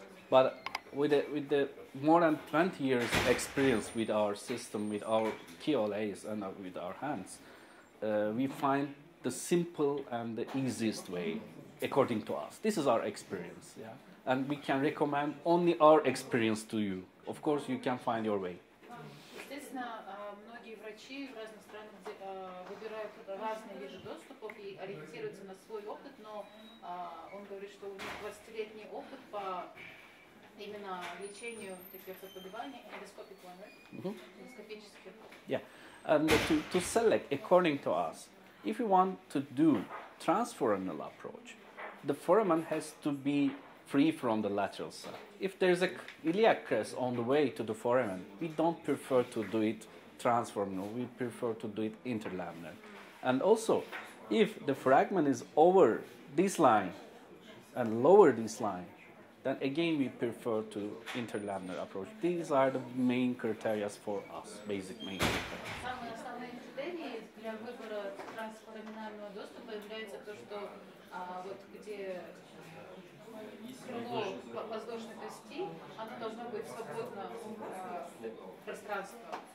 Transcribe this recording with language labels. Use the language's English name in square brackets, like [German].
[English] But with the more than 20 years experience with our system, with our KOLs and with our hands, we find the simple and the easiest way according to us. This is our experience. Yeah, and we can recommend only our experience to you. Of course, you can find your way. [Russian] Естественно, многие врачи в разных странах выбирают разные виды доступов и ориентируются на свой опыт, но он говорит, что у них 20-летний опыт по именно лечению таких заболеваний, эндоскопик, эндоскопический. [English] Yeah, and to select according to us, if you want to do transforaminal approach, the foramen has to be free from the lateral side. If there's a iliac crest on the way to the foramen, we don't prefer to do it transforaminal, we prefer to do it interlaminar. And also, if the fragment is over this line and lower this line, then again we prefer to interlaminar approach. These are the main criteria for us, basic main criteria. [Russian] Самые основные критерии для выбора трансфораминального доступа является то, что вот где крыло подвздошной кости, оно должно быть свободно пространство.